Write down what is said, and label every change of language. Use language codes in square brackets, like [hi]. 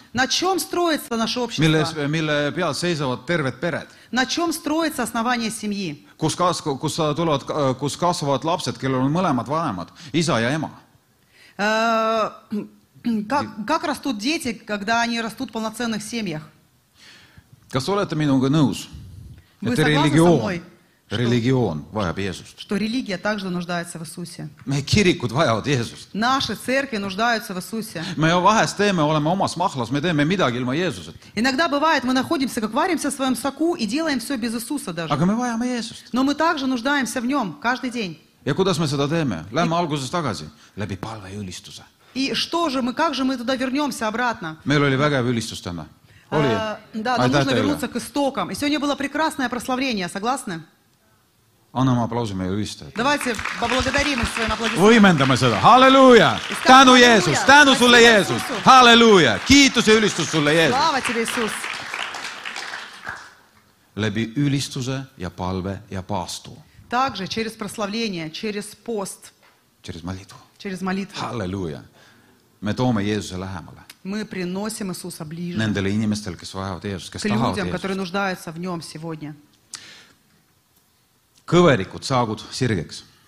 [ru] На чем строится наше общество? [et] Mille peal seisavad terved pered. [ru] На чем строится основание семьи? [et] Kus kasvavad lapsed, kellel on mõlemad vanemad, isa ja ema. [ru] Как растут дети, когда они растут в полноценных семьях? [et] Kas olete minuga nõus? [ru] Это религион. [et] Религион vajab Jeesust. [ru] Что религия также нуждается в Иисусе. [et] Meie kirikud vajavad Jeesust. [ru] Наши церкви нуждаются в Иисусе. [et] Me vahest teeme, oleme omas mahlas, me teeme midagi ilma Jeesuset. [ru] Иногда бывает, мы находимся, как варимся в своем соку и делаем все без Иисуса даже. [et] Aga me vajame Jeesust. [ru] Но мы также нуждаемся в нем каждый день. [et] Ja kuidas me seda teeme? Lähme alguses tagasi. Läbi palve ja ülistuse. [ru] И что же мы, как же мы туда вернемся обратно? [et] Meil oli vägev ülistus täna. Oli. [ru] Да, нам нужно вернуться к истокам. И сегодня было прекрасное прославление, согласны? [et] Anname aplausi meie ülistajatele. [ru] Давайте поблагодарим их своим аплодисментом. [et] Võimendame seda. Halleluja! Tänu Jeesus! Tänu sulle Jeesus! Halleluja! Kiitus ja ülistus sulle Jeesus! [ru] Slava tebe, Jeesus! [et] Läbi ülistuse ja palve ja paastu. [ru] Также через прославление, через пост. Через молитву. Через молитву. [et] Halleluja! Me toome Jeesuse lähemale. [ru] Мы приносим Иисуса ближе. [et] Nendele inimestele, kes vajavad Jeesus, kes tahavad Jeesus. [ru] К людям, которые нуждаются в нем сегодня. [et] Kõverikud saagud sirgeks.